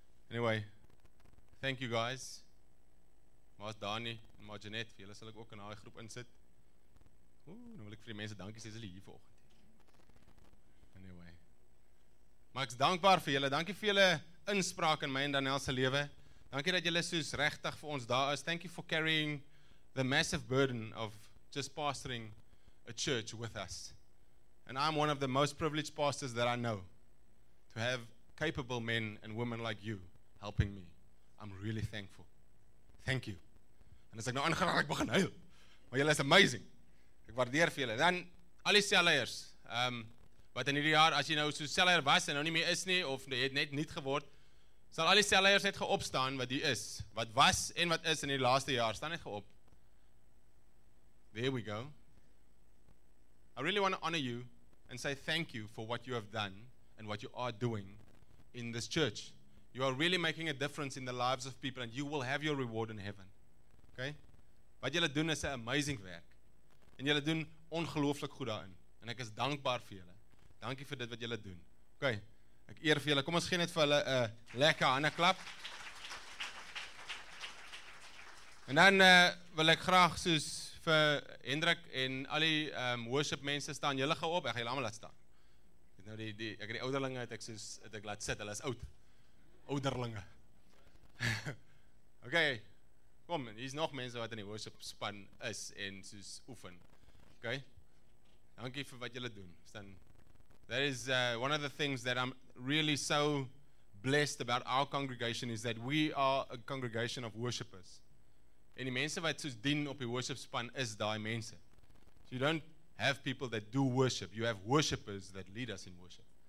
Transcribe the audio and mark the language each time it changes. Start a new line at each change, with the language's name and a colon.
Afrikaans: Anyway, thank you guys. Maar Dani en maar Janet, vir julle sal ek ook in daai groep insit. Ooh, nou wil ek vir die mense dankie sê as hulle hier vanoggend. Anyway. Maar ek is dankbaar vir julle. Dankie vir julle inspraak in my en Daniel se lewe. Dankie dat julle soos regtig vir ons daar is.
English: Thank you for carrying the massive burden of just pastoring a church with us. And I'm one of the most privileged pastors that I know to have capable men and women like you helping me.
Afrikaans: I'm really thankful. Thank you. En as ek nou aangeraak, ek begin huil. Maar julle is amazing. Ek waardeer vir julle. Dan al die selleiers. Wat in hierdie jaar, as jy nou so selleier was en nou nie meer is nie, of jy het net niet geword, sal al die selleiers net geopstaan wat die is. Wat was en wat is in die laaste jaar. Staan net geop. There we go.
English: I really want to honor you and say thank you for what you have done and what you are doing in this church. You are really making a difference in the lives of people and you will have your reward in heaven. Okay?
Afrikaans: Wat julle doen is 'n amazing werk. En julle doen ongelooflik goed daarin. En ek is dankbaar vir julle. Dankie vir dit wat julle doen. Okay. Ek eer vir julle. Kom ons gee net vir hulle 'n lekker handeklap. En dan wil ek graag soos vir Hendrik en al die worship mense staan julle gou op. Ek gaan julle almal laat staan. Dit nou die ek het die ouderlinge het ek soos het ek laat sit. Hulle is oud. Ouderlinge. Okay. Kom, hier's nog mense wat in die worship span is en soos oefen. Okay? Dankie vir wat julle doen.
English: Dan that is one of the things that I'm really so blessed about our congregation is that we are a congregation of worshipers.
Afrikaans: En die mense wat soos dien op die worship span is daai mense. So you don't have people that do worship.
English: You have worshipers that lead us in worship.